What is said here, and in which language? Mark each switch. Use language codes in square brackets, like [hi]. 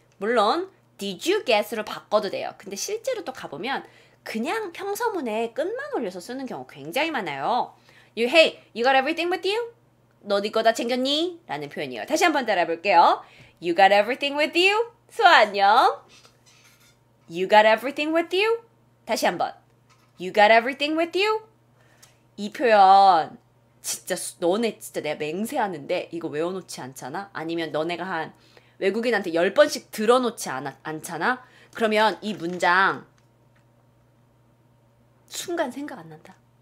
[ko] 물론 [en] did you get [ko] 으로 바꿔도 돼요. 근데 실제로 또 가보면 그냥 평서문에 끝만 올려서 쓰는 경우 굉장히 많아요. [en] You, hey, you got everything with you? [ko] 너 네 거 다 챙겼니? 라는 표현이에요. 다시 한번 따라해볼게요. [en] You got everything with you? [ko] 수아 안녕. [en] You got everything with you? [ko] 다시 한번. [en] You got everything with you? [ko] 이 표현 진짜 너네 진짜 내가 맹세하는데 이거 외워놓지 않잖아? 아니면 너네가 한 외국인한테 10번씩 들어놓지 않잖아? 그러면 이 문장 순간 생각 안 난다.